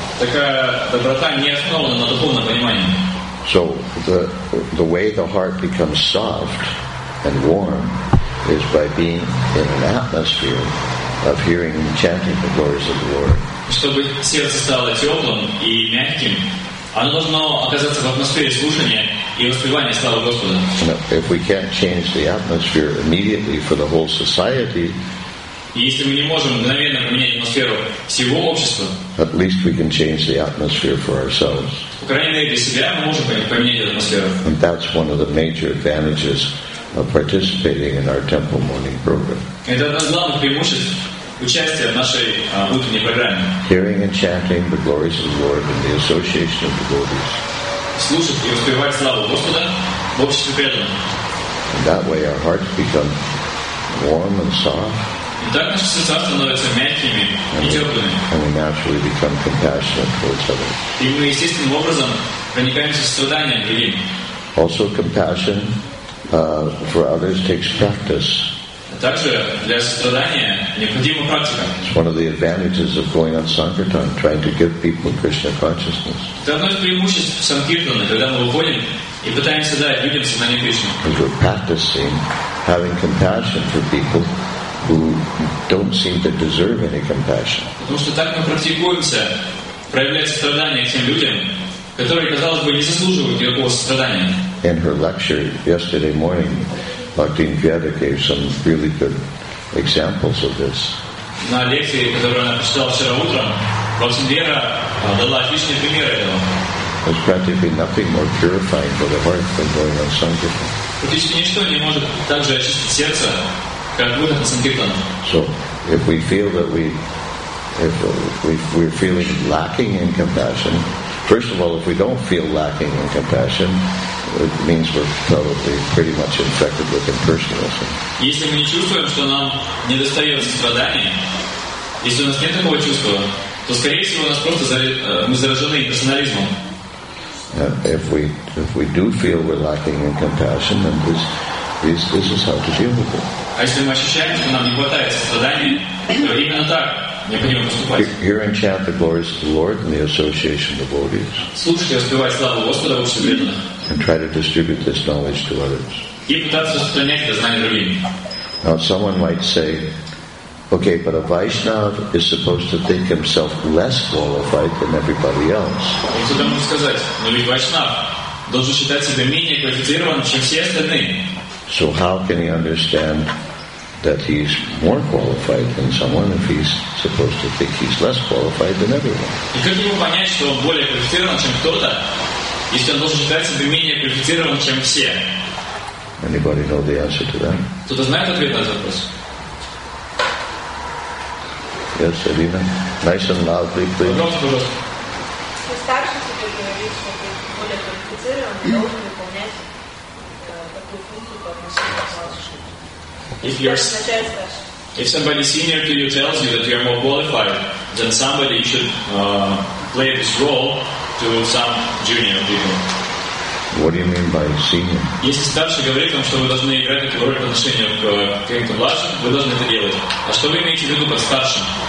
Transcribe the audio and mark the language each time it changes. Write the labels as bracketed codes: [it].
[ru] Такая доброта не основана на духовном понимании. [en] So the way the heart becomes soft and warm is by being in an atmosphere of hearing and chanting the glories of the Lord. [ru] Чтобы сердце стало теплым и мягким, оно должно оказаться в атмосфере слушания и воспевания славы Господа. [en] Now, if we can't change the atmosphere immediately for the whole society, [ru] если мы не можем мгновенно поменять атмосферу всего общества, [en] at least we can change the atmosphere for ourselves. [ru] По крайней мере, для себя мы можем поменять атмосферу. [en] And that's one of the major advantages of participating in our temple morning program. [ru] Это одна из главных преимуществ. Участие в нашей утренней программе. [en] Hearing and chanting the glories of the Lord in the association of devotees. [ru] Слушать и воспевать славу Господа в обществе преданных. [en] And that way our hearts become warm and soft. [ru] И так наши сердца становятся мягкими and и теплыми. [en] And we naturally become compassionate towards others. [ru] И мы естественным образом проникаемся состраданием к другим. [en] Also compassion for others takes practice. [ru] Также для сострадания необходима практика. [en] It's one of the advantages of going on sankirtan, trying to give people Krishna consciousness. [ru] Это одно из преимуществ санкиртана, когда мы выходим и пытаемся дать людям сознание Кришны. [en] And we're practicing having compassion for people who don't seem to deserve any compassion. [ru] Потому что так мы практикуемся проявлять сострадание к тем людям, которые, казалось бы, не заслуживают никакого сострадания. [en] In her lecture yesterday morning, Bhakti Vyada gave some really good examples of this. [ru] На лекции, которую она прочитала вчера утром, Бхакти Вьера дала отличные примеры этого. [en] There's practically nothing more purifying for the heart than going on sankirtan. [ru] Практически ничто не может так же очистить сердце, как выход на санкиртан. [en] So, if we feel that we're feeling lacking in compassion, first of all, if we don't feel lacking in compassion, it means we're probably pretty much infected with impersonalism. [ru] Если мы не чувствуем, что нам недостает сострадания, если у нас нет такого чувства, то, скорее всего, у нас просто мы заражены персонализмом. [en] If we do feel we're lacking in compassion, then this is how to deal with it. [ru] А если мы ощущаем, что нам не хватает сострадания, то именно так. [en] Hear and chant the glories of the Lord in the association of devotees. [ru] Слушайте, воспевайте славу Господа в обществе преданных. [en] And try to distribute this knowledge to others. [ru] И пытаться распространять это знание другим. [en] Now someone might say, okay, but a Vaishnav is supposed to think himself less qualified than everybody else. [ru] И кто-то может сказать, но ведь Вайшнав должен считать себя менее квалифицированным, чем все остальные. [en] So how can he understand that he's more qualified than someone if he's supposed to think he's less qualified than everyone? [ru] И как ему понять, что он более квалифицирован, чем кто-то, если он должен считать себя менее квалифицированным, чем все? [en] Anybody know the answer to that? [ru] Кто-то знает ответ на этот вопрос? [en] Yes, Alina. Nice and loudly, please. [ru] Старший типа говорит, что более квалифицирован, должен выполнять. [en] If somebody senior to you tells you that you are more qualified than somebody, you should play this role to some junior people. What do you mean by senior? [ru] Если старший говорит вам, что вы должны играть эту роль по отношению к каким-то младшим, вы должны это делать. А что вы имеете в виду под старшим?